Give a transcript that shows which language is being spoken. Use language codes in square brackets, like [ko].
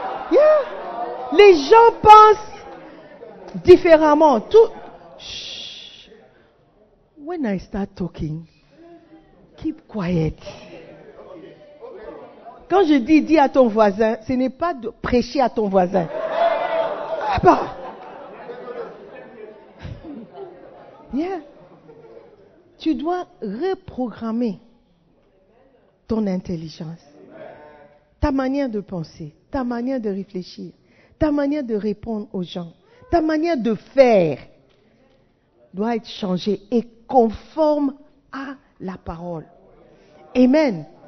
[fr] Yeah. Les gens pensent différemment. Tout. [en] When I start talking, keep quiet. [fr] Quand je dis à ton voisin, ce n'est pas de prêcher à ton voisin. Ah bon? Yeah. Tu dois reprogrammer ton intelligence, ta manière de penser, ta manière de réfléchir, ta manière de répondre aux gens, ta manière de faire doit être changée et conforme à la parole. Amen.